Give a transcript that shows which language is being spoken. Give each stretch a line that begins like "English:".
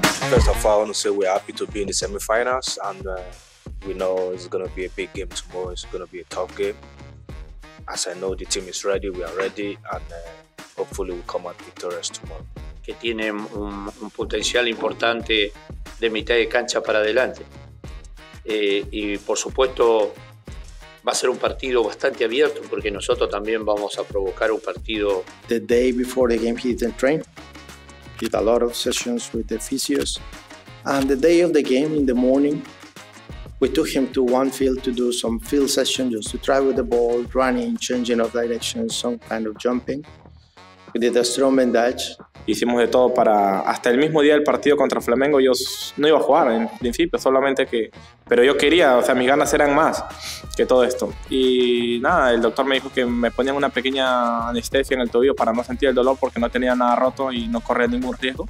English: First of all, I want to say we're happy to be in the semi-finals, and we know it's going to be a big game tomorrow. It's going to be a tough game. As I know, the team is ready. We are ready, and hopefully, we come out victorious tomorrow.
Spanish: Que tiene un potencial importante de mitad de cancha para adelante, y por supuesto. Va a ser un partido bastante abierto porque nosotros también vamos a provocar un partido.
English: The day before the game, he didn't train. Did a lot of sessions with the physios. And the day of the game, in the morning, we took him to one field to do some field sessions just to try with the ball, running, changing of direction, some kind of jumping. We did a strong bandage.
Spanish: Hicimos de todo para hasta el mismo día del partido contra Flamengo. Yo no iba a jugar en principio, solamente que. Pero yo quería, o sea, mis ganas eran más que todo esto. Y nada, el doctor me dijo que me ponían una pequeña anestesia en el tobillo para no sentir el dolor porque no tenía nada roto y no corría ningún riesgo.